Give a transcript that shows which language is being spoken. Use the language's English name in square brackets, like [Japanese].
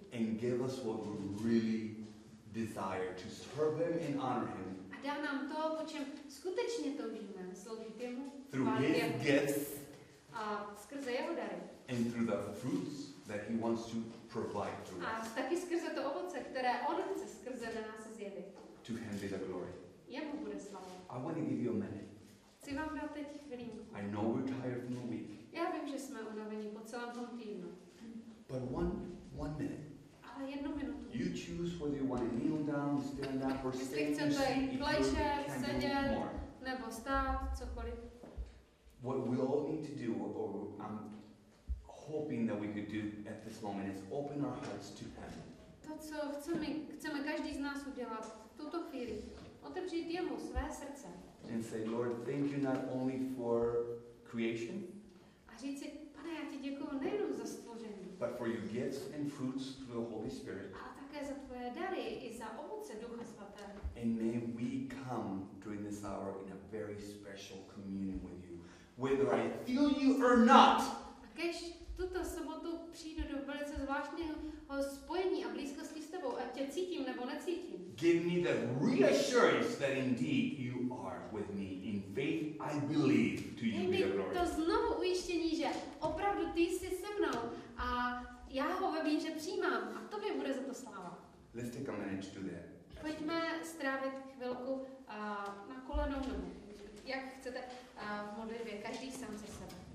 [English] And give us what we really desire to serve Him and honor Him. [Czech] A dá nám to, po čem skutečně toužíme, sloužit Jemu. [English] Through His gifts. [Czech] A skrze Jeho dary. [English] And through the fruits that He wants to provide to us. [Czech] A taky skrze to ovoce, které On chce skrze na nás zjevit. [English] To Him be the glory. [Czech] Jemu bude slavo. [English] I want to give you a minute. [Czech] Chci vám dát teď chvilinku. [English] I know we're tired from the week. [Czech] Já vím, že jsme unavení po celém tom týdnu. [English] But one minute. [Czech] Ale jednu minutu. [English] You choose whether you want to kneel down, stand up, or stay. [Czech] Jestli chcete klečet, sedět, nebo stát, cokoliv. [English] What we all need to do, or I'm hoping that we could do at this moment, is open our hearts to Him. [Czech] To, co chceme každý z nás udělat v tuto chvíli, otevřít Jemu své srdce. [English] And say, Lord, thank you not only for creation, [Czech] a říci, Pane, já ti děkuju nejenom za stvoření, [English] but for your gifts and fruits through the Holy Spirit. [Czech] A také za tvoje dary i za ovoce Ducha Svatého. [English] And may we come during this hour in a very special communion with you, whether I feel you or not. [Czech] A kež tuto sobotu přijdu do velice zvláštního spojení a blízkosti s tebou, ať tě cítím nebo necítím. [English] Give me the reassurance that indeed you are with me. In faith, I believe to you be the glory. [Czech] To znovu ujištění, že opravdu ty jsi se mnou a já ho ve víře přijímám a tobě bude za to sláva. [English] Let's take a minute to that. [Czech] Pojďme strávit chvilku na kolenou nohu, jak chcete v modlitbě, každý sám za sebe.